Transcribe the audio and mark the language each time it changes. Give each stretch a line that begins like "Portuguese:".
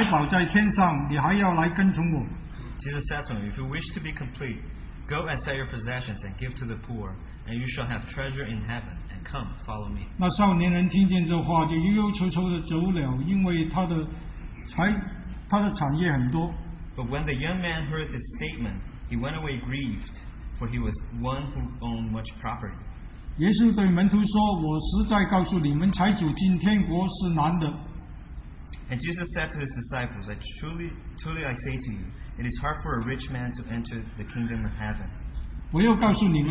Chinese: 耶稣说，你若愿意做完全人，可以去变卖你所有的，分给穷人，就必有财宝在天上。你还要来跟从我。
English: Jesus said to him, If you wish to be complete, go and sell your possessions and give to the poor, and you shall have treasure in heaven. Come, follow me.
Chinese: 那少年人听见这话，就忧忧愁愁的走了，因为他的产业很多。
English: But when the young man heard this statement, he went away grieved, for he was one who owned much property.
Chinese: 耶稣对门徒说：“我实在告诉你们，才走进天国是难的。”
English: And Jesus said to his disciples, I truly, truly I say to you, it is hard for a rich man to enter the kingdom of heaven.